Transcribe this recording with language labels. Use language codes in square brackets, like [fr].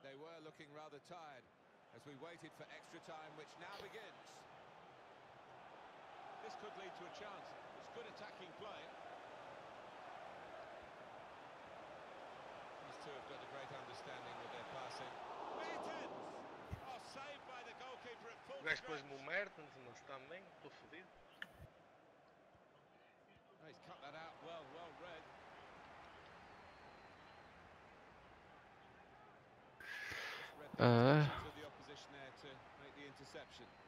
[en] They were looking rather tired as we waited for extra time, which now begins. This could lead to a chance. It's good attacking play. These two have got a great understanding with their passing. Mertens! Oh, saved by the goalkeeper at full stretch. [pt] Depois Mertens, mas também, estou fodido. [en] He's cut that out well, well read. The opposition there to make the interception.